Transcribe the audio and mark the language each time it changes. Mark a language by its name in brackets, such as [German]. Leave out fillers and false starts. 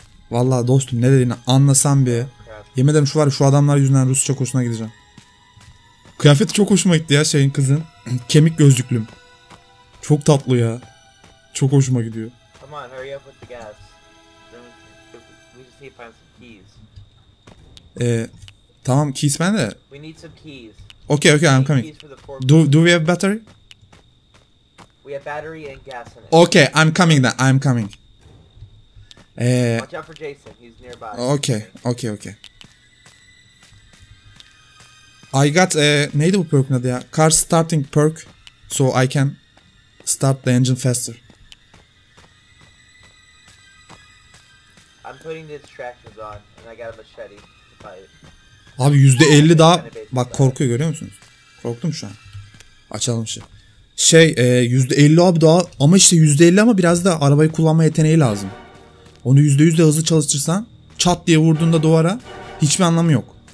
[Turkish] Vallahi dostum ne dediğini anlasam bir. Yemin ederim şu var, şu adamlar yüzünden Rusça kursuna gideceğim. Kıyafeti çok hoşuma gitti ya şeyin, kızın. Kemik gözlüklüm. Çok tatlı ya. Çok hoşuma gidiyor. [English] Come on, hurry up with the gas. We just need to find some keys. [Turkish] Tamam, keys ben de. [English] We need some keys. Okay, okay, I'm coming. Do we have battery? We have battery and gas in it. Okay, I'm coming then. I'm coming. Watch out for Jason. He's nearby. Okay, okay, okay. I got a [Turkish] neydi bu perk'ün adı ya? [English] Car starting perk, so I can start the engine faster. I'm putting the distractions on and I got a machete to fight. [Turkish] Abi %50 daha, bak korkuyor görüyor musunuz? Korktum şu an. Açalım şu. Şey %50 abi daha, ama işte %50 ama biraz da arabayı kullanma yeteneği lazım. Onu %100 de hızlı çalıştırsan çat diye vurduğunda duvara hiçbir anlamı yok.